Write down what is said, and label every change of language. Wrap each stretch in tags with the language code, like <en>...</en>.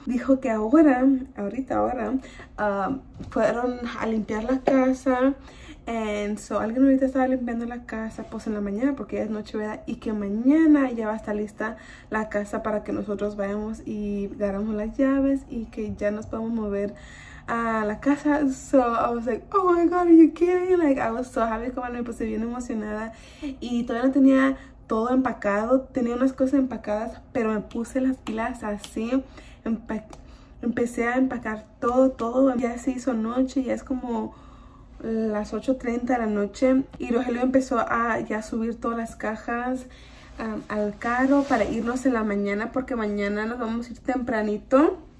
<es>Dijo que ahora, fueron a limpiar la casa. And so alguien ahorita estaba limpiando la casa pues en la mañana porque ya es noche, ¿verdad? Y que mañana ya va a estar lista la casa para que nosotros vayamos y agarramos las llaves. Y que ya nos podemos mover a la casa.</es> <en>So I was like, oh my god, are you kidding? Like, I was so happy,</en> <es>como me puse bien emocionada. Y todavía no tenía todo empacado, tenía unas cosas empacadas, pero me puse las pilas así, empecé a empacar todo, todo. Ya se hizo noche, ya es como las 8:30 de la noche y Rogelio empezó a ya subir todas las cajas al carro para irnos en la mañana, porque mañana nos vamos a ir tempranito.</es>